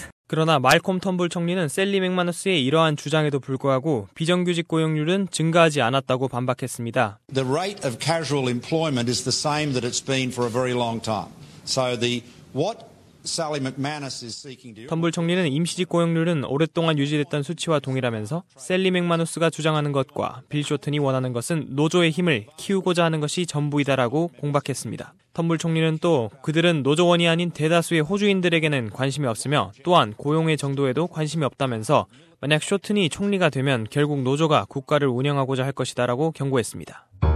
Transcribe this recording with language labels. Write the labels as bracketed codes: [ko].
[ko] 그러나 말콤 턴불 총리는 셀리 맥마누스의 이러한 주장에도 불구하고 비정규직 고용률은 증가하지 않았다고 반박했습니다. [en] The rate of casual employment is the same that it's been for a very long time. So the what Sally McManus is seeking to [ko] 턴불 총리는 임시직 고용률은 오랫동안 유지됐던 수치와 동일하면서 셀리 맥마누스가 주장하는 것과 빌 쇼튼이 원하는 것은 노조의 힘을 키우고자 하는 것이 전부이다라고 공박했습니다. 턴불 총리는 또 그들은 노조원이 아닌 대다수의 호주인들에게는 관심이 없으며 또한 고용의 정도에도 관심이 없다면서 만약 쇼튼이 총리가 되면 결국 노조가 국가를 운영하고자 할 것이다라고 경고했습니다.